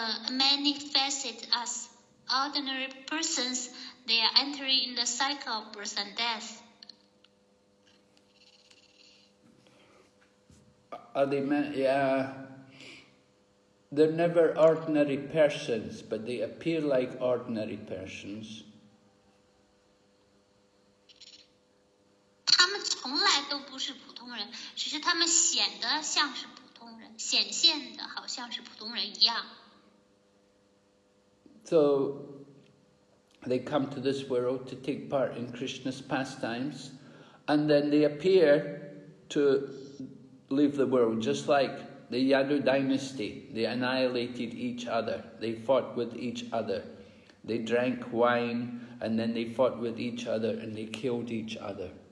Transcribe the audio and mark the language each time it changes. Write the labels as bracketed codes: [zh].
[en] manifested as ordinary persons, they are entering in the cycle of birth and death. Are they, they're never ordinary persons, but they appear like ordinary persons. [zh] 他们从来都不是普通人，只是他们显得像是普通人，显现的好像是普通人一样。So [en] they come to this world to take part in Krishna's pastimes, and then they appear to leave the world, just like the Yadu dynasty. They annihilated each other, they fought with each other, they drank wine, and then they fought with each other and they killed each other.